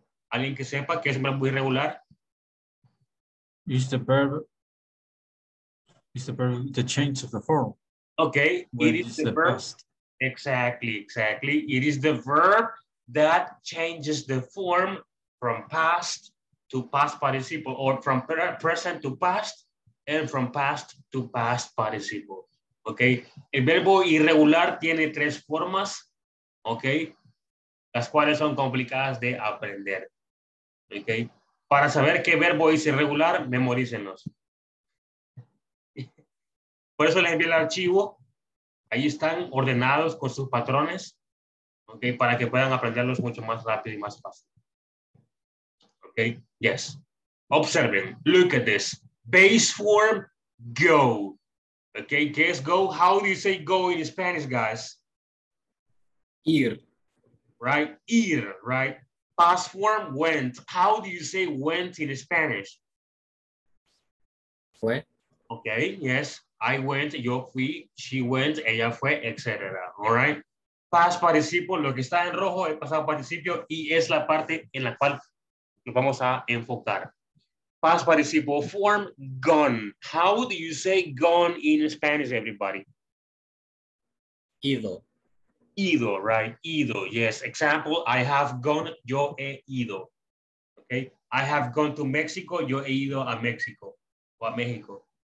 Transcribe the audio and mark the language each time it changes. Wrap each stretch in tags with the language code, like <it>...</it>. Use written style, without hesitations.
<es>¿Alguien que sepa qué es un verbo irregular?</es> <en>It's the verb, the change of the form. Okay, it is the verb. Past. Exactly. It is the verb that changes the form from past to past participle, or from present to past, and from past to past participle.</en> <es>Okay, el verbo irregular tiene tres formas, okay, las cuales son complicadas de aprender. Okay, para saber qué verbo es irregular, memorícenlos. Por eso les envié el archivo, ahí están ordenados con sus patrones, okay, para que puedan aprenderlos mucho más rápido y más fácil.</es> <en>Okay, yes. Observen, look at this. Base form, go. Okay, guess go. How do you say go in Spanish, guys?</en> <es>Ir.</es> <en>Right, ir, right? Past form, went. How do you say went in Spanish?</en> <es>Fue.</es> <en>Okay, yes. I went,</en> <es>yo fui,</es> <en>she went,</en> <es>ella fue,</es> <en>etc. All right.</en> <es>Past participio, lo que está en rojo es pasado participio y es la parte en la cual nos vamos a enfocar.</es> <en>Past participle form, gone. How do you say gone in Spanish, everybody?</en> <es>Ido.</es> <en>Ido, right? Ido, yes. Example, I have gone,</en> <es>yo he ido.</es> <en>Okay? I have gone to Mexico,</en> <es>yo he ido a Mexico. O a México.</es>